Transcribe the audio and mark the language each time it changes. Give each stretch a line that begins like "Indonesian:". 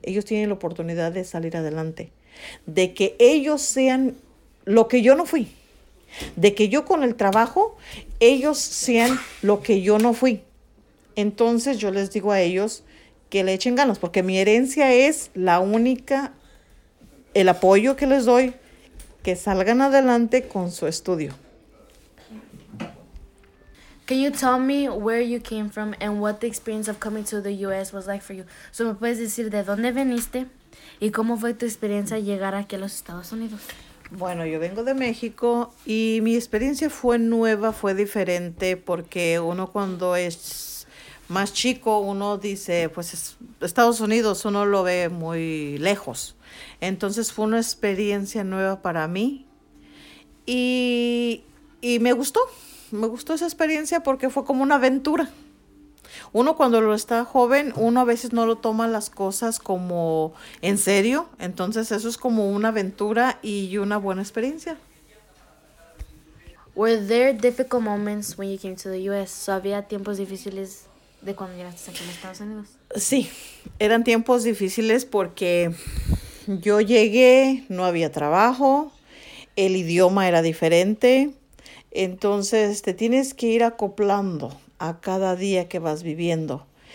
Spanish: Ellos tienen la oportunidad de salir adelante, de que ellos sean lo que yo no fui, de que yo con el trabajo, ellos sean lo que yo no fui. Entonces yo les digo a ellos que le echen ganas, porque mi herencia es la única, el apoyo que les doy, que salgan adelante con su estudio.
English: Can you tell me where you came from and what the experience of coming to the US was like for you?
Spanish: So, ¿me puedes decir de dónde viniste y cómo fue tu experiencia llegar aquí a los Estados Unidos? Bueno, yo vengo de México y mi experiencia fue nueva, fue diferente, porque uno cuando es más chico, uno dice, pues es Estados Unidos, uno lo ve muy lejos. Entonces fue una experiencia nueva para mí y me gustó esa experiencia porque fue como una aventura. Uno cuando lo está joven, uno a veces no lo toma las cosas como en serio. Entonces eso es como una aventura y una buena experiencia.
English: Were there difficult moments when you came to the U.S.?
Spanish: ¿So había tiempos difíciles de cuando llegaste aquí a los Estados Unidos? Sí, eran tiempos difíciles porque yo llegué, no había trabajo, el idioma era diferente. Entonces te tienes que ir acoplando a cada día que vas viviendo.